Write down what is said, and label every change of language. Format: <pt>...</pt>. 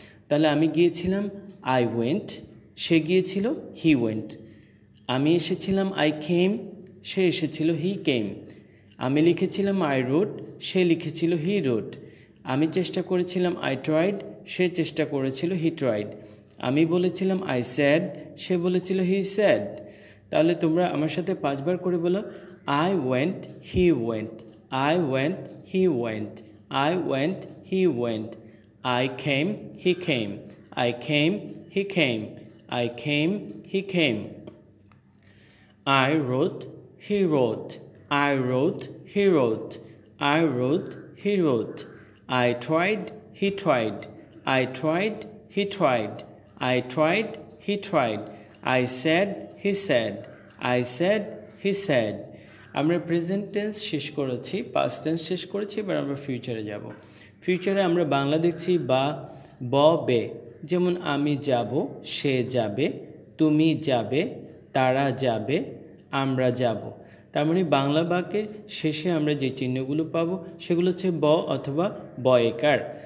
<bn>তাহলে আমি গিয়েছিলাম,</bn> <en>I went,</en> <bn>সে গিয়েছিল,</bn> <en>he went,</en> <bn>আমি এসেছিলাম,</bn> <en>I came,</en> <bn>সে এসেছিল,</bn> <en>he came,</en> <bn>আমি লিখেছিলাম,</bn> <en>I wrote,</en> <bn>সে লিখেছিল,</bn> <en>he wrote,</en> <bn>আমি চেষ্টা করেছিলাম,</bn> <en>I tried,</en> <bn>সে চেষ্টা করেছিল,</bn> <en>he tried,</en> <bn>আমি বলেছিলাম,</bn> <en>I said,</en> <bn>সে বলেছিল,</bn> <en>He said.</en> <bn>তাহলে তোমরা আমার সাথে পাঁচবার করে বলো,</bn> <en>I went, he went, I went, he went, I went, he went, I came, he came, I came, he came, I came, he came, I wrote, he wrote, I wrote, he wrote, I wrote, he wrote, I tried, he tried, I tried, he tried, I tried, he tried, I said, he said, I said, he said.</en> <bn>আমরা present tense শেষ করেছি, past tense শেষ করেছি, এবার আমরা ফিউচারে যাব। ফিউচারে আমরা বাংলা দেখছি বা, ব, বে। যেমন আমি যাব, সে যাবে, তুমি যাবে, তারা যাবে, আমরা যাব। তার মানে বাংলা বাক্যের শেষে আমরা যে চিহ্নগুলো পাবো সেগুলো হচ্ছে ব অথবা বয়েকার।</bn>